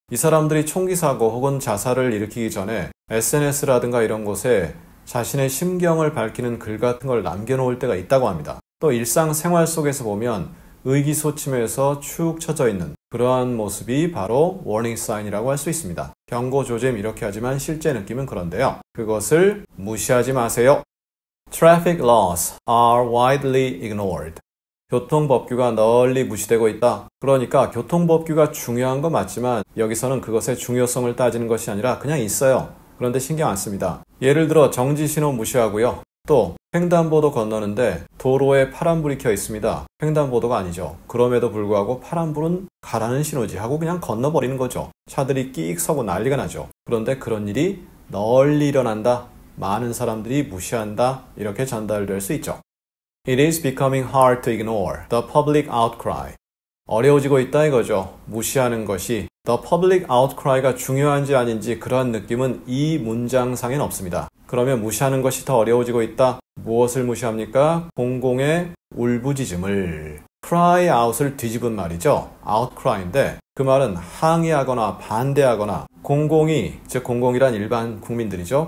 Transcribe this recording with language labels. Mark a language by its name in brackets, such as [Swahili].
[Korean] 이 사람들이 총기 사고 혹은 자살을 일으키기 전에 SNS라든가 이런 곳에 자신의 심경을 밝히는 글 같은 걸 남겨놓을 때가 있다고 합니다. 또 일상생활 속에서 보면 의기소침해서 축 처져 있는 그러한 모습이 바로 warning sign이라고 할 수 있습니다. 경고 조짐 이렇게 하지만 실제 느낌은 그런데요. 그것을 무시하지 마세요. [English] Traffic laws are widely ignored. [Korean] 교통법규가 널리 무시되고 있다. 그러니까 교통법규가 중요한 거 맞지만 여기서는 그것의 중요성을 따지는 것이 아니라 그냥 있어요. 그런데 신경 안 씁니다. 예를 들어 정지신호 무시하고요. 또 횡단보도 건너는데 도로에 파란불이 켜 있습니다. 횡단보도가 아니죠. 그럼에도 불구하고 파란불은 가라는 신호지 하고 그냥 건너버리는 거죠. 차들이 끼익 서고 난리가 나죠. 그런데 그런 일이 널리 일어난다. 많은 사람들이 무시한다. 이렇게 전달될 수 있죠. [English] It is becoming hard to ignore the public outcry. [Korean] 어려워지고 있다 이거죠. 무시하는 것이. [English] The public outcry가 [Korean] 중요한지 아닌지 그러한 느낌은 이 문장상엔 없습니다. 그러면 무시하는 것이 더 어려워지고 있다. 무엇을 무시합니까? 공공의 울부짖음을. cry out을 뒤집은 말이죠. outcry인데 그 말은 항의하거나 반대하거나 공공이, 즉 공공이란 일반 국민들이죠.